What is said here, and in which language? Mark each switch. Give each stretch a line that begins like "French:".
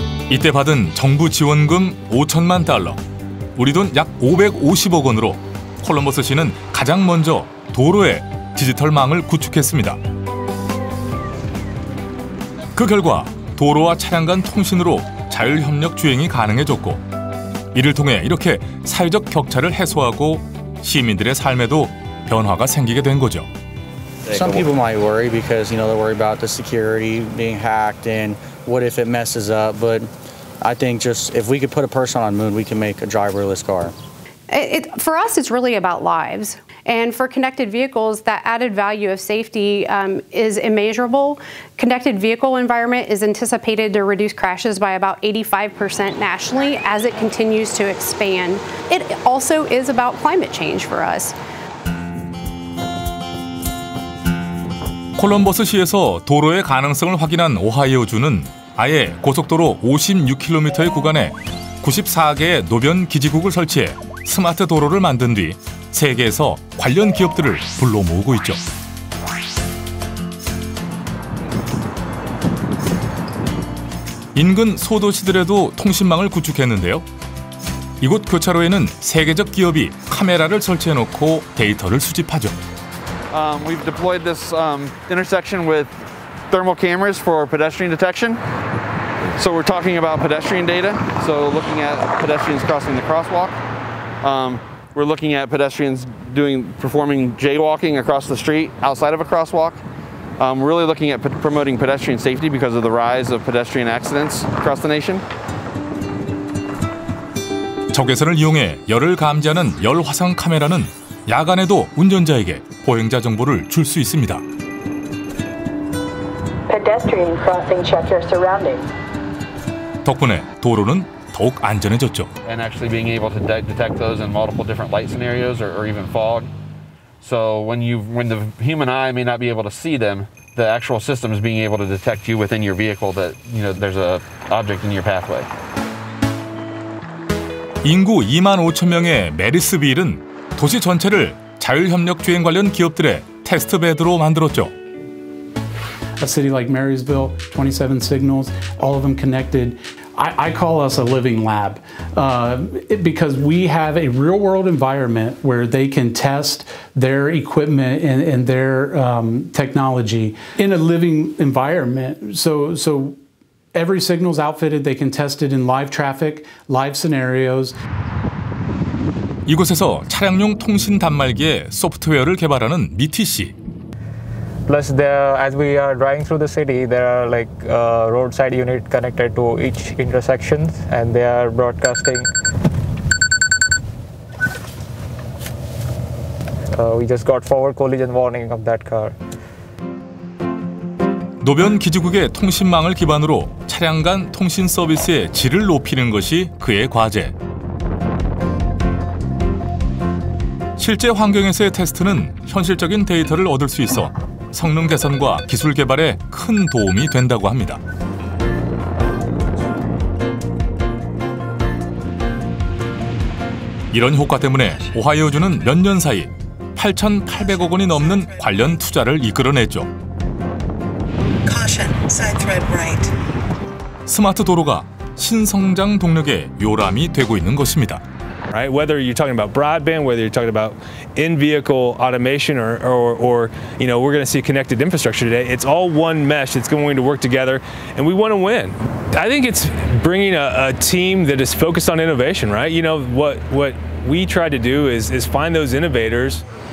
Korean: 이때 받은 정부 지원금 5천만 달러, 우리 돈 약 550억 원으로 콜럼버스 씨는 가장 먼저 도로에 디지털 망을 구축했습니다. 그 결과 도로와 차량 간 통신으로 자율협력 주행이 가능해졌고, 이를 통해 이렇게 사회적 격차를 해소하고 시민들의 삶에도 변화가 생기게 된 거죠.
English: Some people might worry because you know they worry about the security being hacked and what if it messes up. But I think just if we could put a person on the moon, we can make a driverless car. It, for us, it's really about lives. And for connected vehicles, that added value of safety is immeasurable. Connected vehicle environment is anticipated to reduce crashes by about 85% nationally as it continues to expand. It also is about climate change for us.
Korean: 콜럼버스 시에서 도로의 가능성을 확인한 오하이오주는 아예 고속도로 56km의 구간에 94개의 노변 기지국을 설치해 스마트 도로를 만든 뒤 세계에서 관련 기업들을 불러 모으고 있죠. 인근 소도시들에도 통신망을 구축했는데요. 이곳 교차로에는 세계적 기업이 카메라를 설치해놓고 데이터를 수집하죠.
English: We've deployed this intersection with thermal cameras for pedestrian detection. So we're talking about pedestrian data. So looking at pedestrians crossing the crosswalk. We're looking at pedestrians performing jaywalking across the street outside of a crosswalk. Really looking at promoting pedestrian safety because of the rise of pedestrian accidents across the nation.
Korean: 적외선을 이용해 열을 감지하는 열 화상 카메라는 야간에도 운전자에게 보행자 정보를 줄 수 있습니다.
English: Pedestrian crossing, check your surroundings.
Korean: 덕분에 도로는 더욱 안전해졌죠.
English: And actually being able to detect those in multiple different light scenarios or even fog. So when the human eye may not be able to see them, the actual system is being able to detect you within your vehicle that you know there's a object in your pathway.
Korean: 인구 2만 5천 명의 메리스빌은 도시 전체를 자율협력 주행 관련 기업들의 테스트 베드로 만들었죠.
English: A city like Marysville, 27 signals, all of them connected. I call us a living lab because we have a real-world environment where they can test their equipment and their technology in a living environment. So every signal's outfitted. They can test it in live traffic, live scenarios.
Korean: 이곳에서 차량용 통신 단말기의 소프트웨어를 개발하는 미티 씨.
English: Plus, as we are driving through the city, there are like roadside units connected to each intersection, and they are broadcasting. We just got forward collision warning of that car.
Korean: 노변 기지국의 통신망을 기반으로 차량 간 통신 서비스의 질을 높이는 것이 그의 과제. 실제 환경에서의 테스트는 현실적인 데이터를 얻을 수 있어 성능 개선과 기술 개발에 큰 도움이 된다고 합니다. 이런 효과 때문에 오하이오주는 몇 년 사이 8,800억 원이 넘는 관련 투자를 이끌어냈죠. 스마트 도로가 신성장 동력의 요람이 되고 있는 것입니다.
English: Right, whether you're talking about broadband, whether you're talking about in-vehicle automation, or you know, we're going to see connected infrastructure today. It's all one mesh. It's going to work together, and we want to win. I think it's bringing a team that is focused on innovation. Right, you know what we try to do is find those innovators.